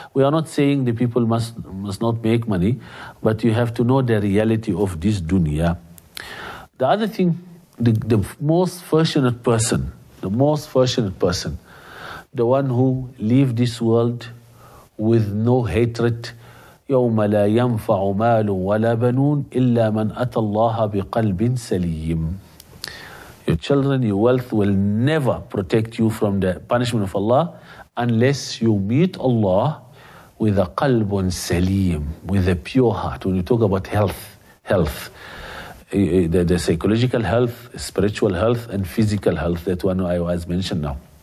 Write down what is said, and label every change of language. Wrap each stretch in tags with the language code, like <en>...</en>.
<en>We are not saying the people must not make money, but you have to know the reality of this dunya. The other thing, the most fortunate person, the one who leave this world with no hatred.</en> <ar>يوم لا ينفع مال ولا بنون إلا من أتى الله بقلب سليم.</ar> <en>Your children, your wealth will never protect you from the punishment of Allah unless you meet Allah with a</en> <ar>قلب سليم,</ar> <en>with a pure heart. When you talk about health, the psychological health, spiritual health, and physical health, that one I was mentioned now.</en>